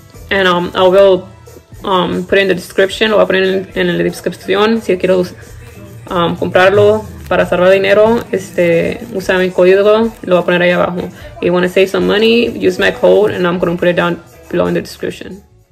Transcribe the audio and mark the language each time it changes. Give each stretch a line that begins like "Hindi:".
English: And I will put it in the description.
Spanish: Lo voy a poner en la descripción. Si quiero comprarlo para salvar dinero, usa mi código. Lo voy a poner ahí abajo.
English: If you want to save some money, use my code. And I'm going to put it down below in the description.